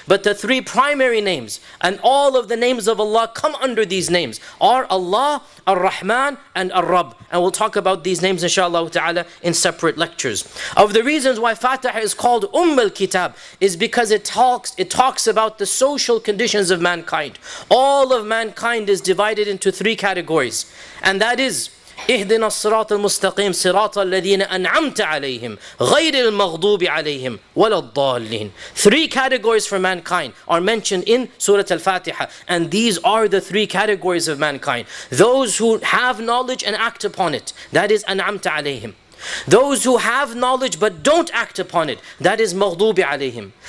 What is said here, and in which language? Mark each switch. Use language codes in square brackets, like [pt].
[en] But the three primary names and all of the names of Allah come under these names are Allah, Ar-Rahman and Ar-Rabb. And we'll talk about these names inshallah ta'ala in separate lectures. Of the reasons why Fatiha is called al-Kitab is because it talks about the social conditions of mankind. All of mankind is divided into three categories. And that is, [ar] اِهْدِنَا الصِّرَاطَ الْمُسْتَقِيمِ صِرَاطَ الَّذِينَ أَنْعَمْتَ عَلَيْهِمْ غَيْرِ الْمَغْضُوبِ عَلَيْهِمْ وَلَا الضَّالِّينَ. [en] Three categories for mankind are mentioned in Surah Al-Fatiha. And these are the three categories of mankind. Those who have knowledge and act upon it. That is [ar] أَنْعَمْتَ عَلَيْهِمْ. [en] Those who have knowledge but don't act upon it, that is maghdubi alayhim.